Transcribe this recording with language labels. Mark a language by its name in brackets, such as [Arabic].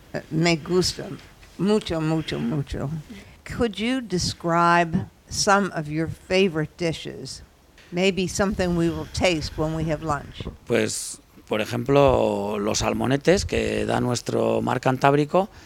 [Spanish] Me gusta mucho, mucho, mucho. [English] Could you describe some of your favorite dishes? Maybe something we will taste when we have lunch. [Spanish] Pues, por ejemplo, los salmonetes que da nuestro mar Cantábrico.